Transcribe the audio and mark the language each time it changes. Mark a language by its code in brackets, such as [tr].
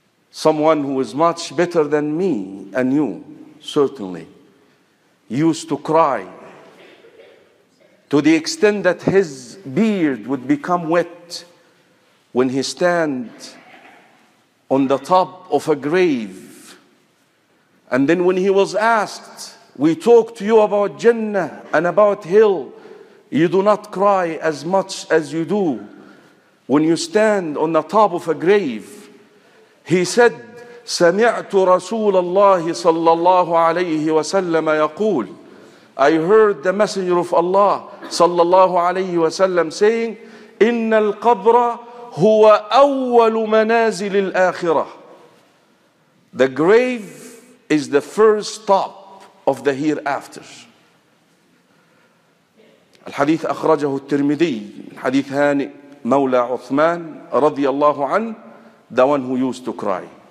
[en] Someone who is much better than me and you, certainly, used to cry to the extent that his beard would become wet when he stand on the top of a grave. And then when he was asked, we talk to you about Jannah and about hell, you do not cry as much as you do when you stand on the top of a grave. He said, [ar] سمعت رسول الله صلى الله عليه وسلم يقول, [en] I heard the messenger of Allah [ar] صلى الله عليه وسلم [en] saying, [ar] إن القبر هو أول منازل الآخرة. [en] The grave is the first stop of the hereafter. [ar] الحديث أخرجه الترمذي من حديث هانئ مولى عثمان رضي الله عنه, [en] the one who used to cry.